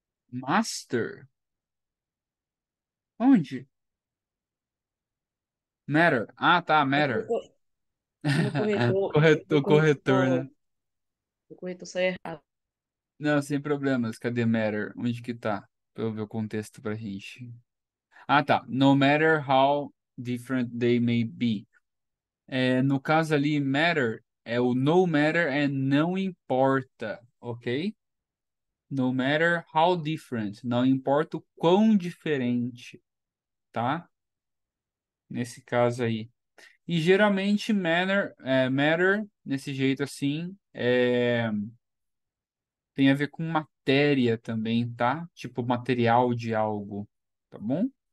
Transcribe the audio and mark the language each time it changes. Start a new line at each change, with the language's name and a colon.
Portuguese: Master? Onde? Matter. Ah, tá. Matter. Corretor, corretor, né? O corretor sai errado. Não, sem problemas. Cadê matter? Onde que tá? Pra eu ver o contexto pra gente. Ah, tá.
English: No matter how different they may be.
Portuguese: É, no caso ali, matter é o
English: no matter
Portuguese: é não importa, ok?
English: No matter how different.
Portuguese: Não importa o quão diferente, tá? Nesse caso aí. E geralmente matter nesse jeito assim tem a ver com matéria também, tá? Tipo material de algo, tá bom?